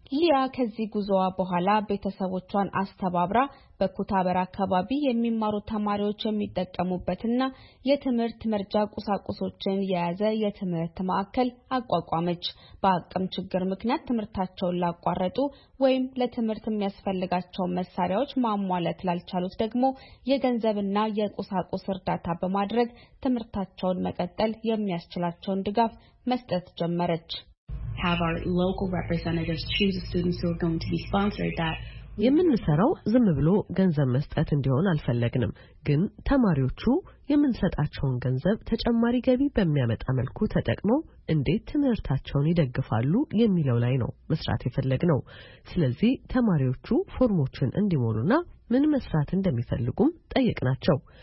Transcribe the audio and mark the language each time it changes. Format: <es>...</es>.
<am>ሊያ ከዚህ ጉዞዋ በኋላ ቤተሰቦቿን አስተባብራ በኩታበር አካባቢ የሚማሩ ተማሪዎች የሚጠቀሙበትና የትምህርት መርጃ ቁሳቁሶችን የያዘ የትምህርት ማዕከል አቋቋመች። በአቅም ችግር ምክንያት ትምህርታቸውን ላቋረጡ ወይም ለትምህርት የሚያስፈልጋቸው መሳሪያዎች ማሟላት ላልቻሉት ደግሞ የገንዘብና የቁሳቁስ እርዳታ በማድረግ ትምህርታቸውን መቀጠል የሚያስችላቸውን ድጋፍ መስጠት ጀመረች።</am> <en>Have our local representatives choose the students who are going to be sponsored that</en> <am>የምንሰራው ዝም ብሎ ገንዘብ መስጠት እንዲሆን አልፈለግንም። ግን ተማሪዎቹ የምንሰጣቸውን ገንዘብ ተጨማሪ ገቢ በሚያመጣ መልኩ ተጠቅመው እንዴት ትምህርታቸውን ይደግፋሉ የሚለው ላይ ነው መስራት የፈለግነው። ስለዚህ ተማሪዎቹ ፎርሞችን እንዲሞሉና ምን መስራት እንደሚፈልጉም ጠየቅናቸው።</am>